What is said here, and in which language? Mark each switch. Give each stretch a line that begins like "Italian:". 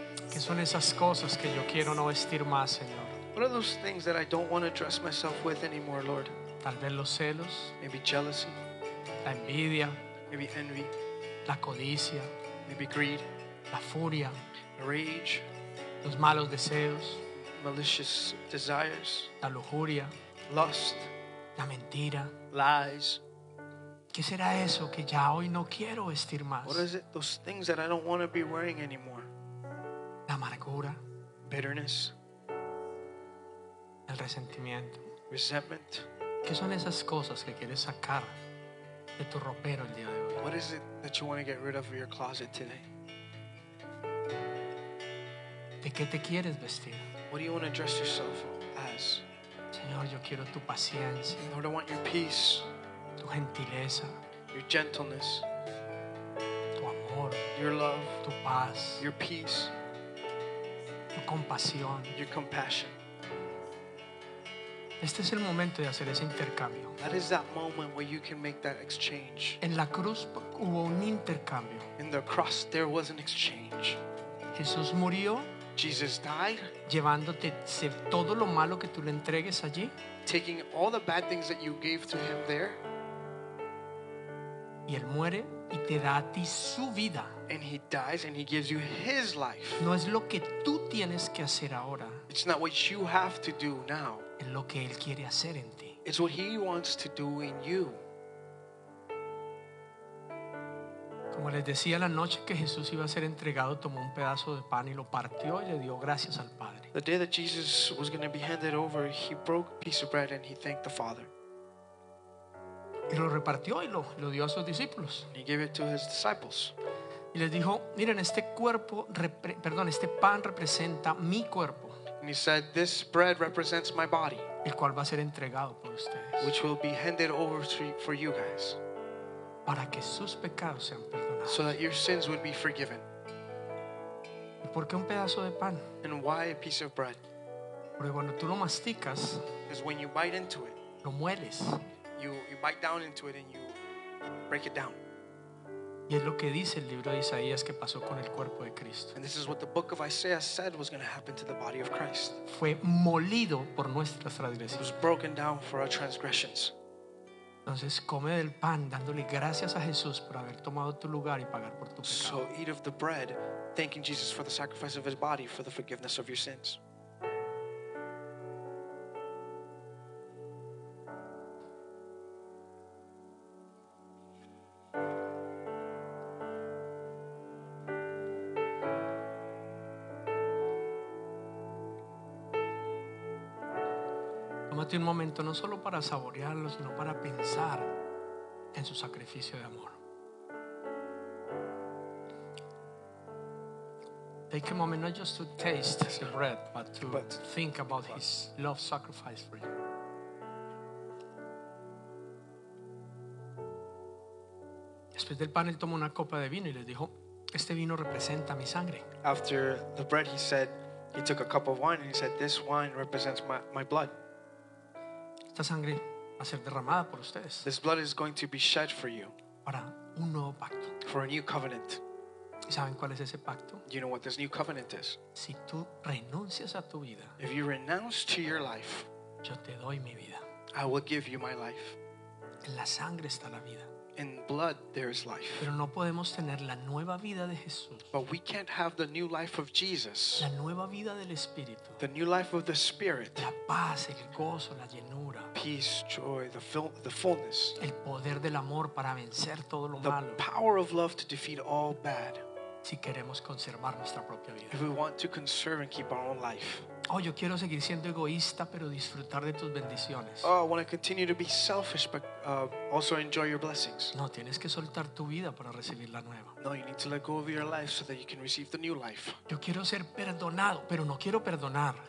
Spanish: ¿Qué son esas cosas que yo quiero no vestir más, Señor?
English: What are those things that I don't want to dress myself with anymore, Lord?
Spanish: Tal vez los celos.
English: Maybe jealousy.
Spanish: La envidia.
English: Maybe envy.
Spanish: La codicia.
English: Maybe greed.
Spanish: La furia.
English: Rage.
Spanish: Los malos deseos.
English: Malicious desires.
Spanish: La lujuria.
English: Lust.
Spanish: La mentira.
English: Lies.
Spanish: ¿Qué será eso que ya hoy no quiero vestir más?
English: What is it, those things that I don't want to be wearing anymore?
Spanish: La amargura.
English: Bitterness.
Spanish: El resentimiento.
English: Resentment.
Spanish: ¿Qué son esas cosas que quieres sacar de tu ropero el día de hoy?
English: What is it that you want to get rid of your closet today?
Spanish: ¿De qué te quieres vestir?
English: What do you want to dress yourself as?
Spanish: Señor, yo quiero tu paciencia.
English: Lord, I want your peace.
Spanish: Tu gentileza.
English: Your gentleness.
Spanish: Tu amor.
English: Your love.
Spanish: Tu paz.
English: Your peace.
Spanish: Tu compasión.
English: Your compassion.
Spanish: Este es el momento de hacer ese intercambio.
English: That is that moment where you can make that exchange.
Spanish: En la cruz hubo un intercambio.
English: In the cross there was an exchange.
Spanish: Jesús murió.
English: Jesus died.
Spanish: Llevándote todo lo malo que tú le entregues allí.
English: Taking all the bad things that you gave to him there.
Spanish: Y él muere y te da a ti su vida.
English: And he dies and he gives you his life.
Spanish: No es lo que tú tienes que hacer ahora.
English: It's not what you have to do now.
Spanish: Es lo que él quiere hacer en ti.
English: It's what he wants to do in you.
Spanish: Como les decía, la noche que Jesús iba a ser entregado, tomó un pedazo de pan y lo partió y le dio gracias al Padre.
English: The day that Jesus was going to be handed over, he broke a piece of bread and he thanked the Father.
Spanish: Y lo repartió y lo dio a sus discípulos.
English: He gave it to his disciples.
Spanish: Y les dijo, miren, este cuerpo, este pan representa mi cuerpo.
English: And he said, this bread represents my body.
Spanish: El cual va a ser entregado por ustedes.
English: Which will be handed over for you guys.
Spanish: Para que sus pecados sean perdonados.
English: So that your sins would be forgiven.
Spanish: ¿Y por qué un pedazo de pan?
English: And why a piece of bread?
Spanish: Porque cuando tú lo masticas,
English: because when you bite into it,
Spanish: lo mueles.
English: You bite down into it and you break it down.
Spanish: Y es lo que dice el libro de Isaías que pasó con el cuerpo de Cristo.
English: And this is what the book of Isaiah said was going to happen to the body of Christ.
Spanish: Fue molido por nuestras transgresiones.
English: It was broken down for our transgressions.
Spanish: Entonces come del pan dándole gracias a Jesús por haber tomado tu lugar y pagar por tu pecado.
English: So eat of the bread, thanking Jesus for the sacrifice of his body for the forgiveness of your sins.
Spanish: Un momento no solo para saborearlo sino para pensar en su sacrificio de amor.
English: Take a moment not just to taste the bread but to think about his love sacrifice for you.
Spanish: Después del pan él tomó una copa de vino y les dijo, este vino representa mi sangre.
English: After the bread he took a cup of wine and he said, this wine represents my blood.
Spanish: Esta sangre va a ser derramada por ustedes.
English: This blood is going to be shed for you.
Spanish: Para un nuevo pacto.
English: For a new covenant.
Spanish: ¿Y saben cuál es ese pacto?
English: You know what this new covenant is?
Spanish: Si tú renuncias a tu vida.
English: If you renounce to your life.
Spanish: Yo te doy mi vida.
English: I will give you my life.
Spanish: En la sangre está la vida.
English: In blood there is life.
Spanish: Pero no podemos tener la nueva vida de Jesús.
English: But we can't have the new life of Jesus.
Spanish: La nueva vida del Espíritu.
English: The new life of the Spirit.
Spanish: La paz, el gozo, la llenura.
English: Peace, joy, the fullness.
Spanish: El poder del amor para vencer todo lo
English: the
Spanish: malo.
English: The power of love to defeat all bad.
Spanish: Si queremos conservar nuestra propia vida.
English: If we want to conserve and keep our own life.
Spanish: Oh, yo quiero seguir siendo egoísta, pero disfrutar de tus bendiciones.
English: Oh, I want to continue to be selfish, but also enjoy your blessings.
Spanish: No, tienes que soltar tu vida para recibir la nueva.
English: No, you need to let go of your life so that you can receive the new life.
Spanish: Yo quiero ser perdonado, pero no quiero perdonar.